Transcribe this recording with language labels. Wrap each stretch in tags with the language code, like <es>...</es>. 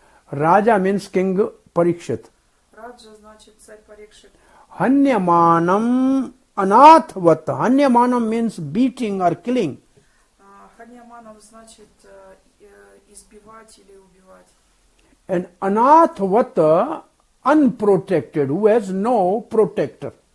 <en>Raja means king Parikshit.</en> <ru>Raja значит царь Parikshit.</ru> <sa>Hanyamanam anathvat.</sa> <en>Hanyamanam means beating or killing.</en> <ru>Hanyamanam значит избивать или убивать.</ru> <en>And anathvat, unprotected, who has no protector.</en>